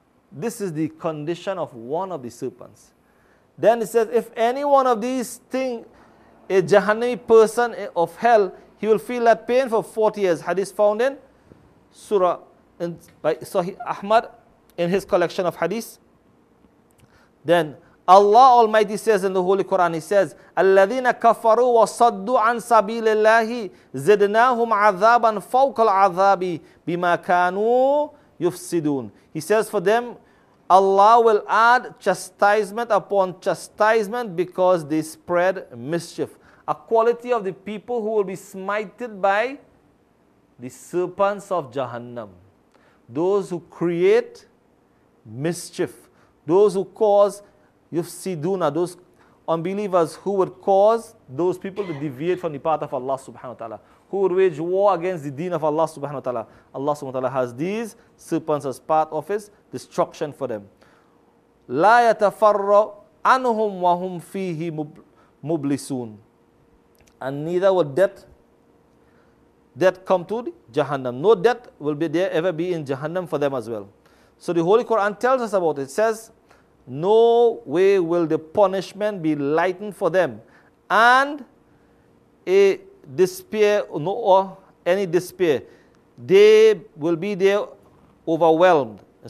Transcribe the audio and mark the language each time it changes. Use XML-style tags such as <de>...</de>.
<en>This is the condition of one of the serpents. Then it says, if any one of these sting a Jahannami person of hell, he will feel that pain for 40 years. Hadith found in Surah, by Sahih Ahmad, in his collection of hadith. Then Allah Almighty says in the Holy Quran, He says,</en> <ar>الَّذِينَ كَفَرُوا وَصَدُّوا عَن سَبِيلِ اللَّهِ زِدْنَاهُمْ عَذَابًا فَوْقَ الْعَذَابِ بِمَا كَانُوا yufsidun.</ar> <en>He says, for them, Allah will add chastisement upon chastisement because they spread mischief. A quality of the people who will be smited by the serpents of Jahannam. Those who create mischief. Those who cause yufsiduna, those unbelievers who would cause those people to deviate from the path of Allah subhanahu wa ta'ala, who would wage war against the deen of Allah subhanahu wa ta'ala. Allah subhanahu wa ta'ala has these serpents as part of his destruction for them.</en> <ar>لا يتفرّ عنهم وهم فيه مبلسون.</ar> <en>And neither will death come to Jahannam. No death will be there ever be in Jahannam for them as well. So the Holy Quran tells us about it. It says, no way will the punishment be lightened for them, and a despair, no, or any despair, they will be there overwhelmed.</en>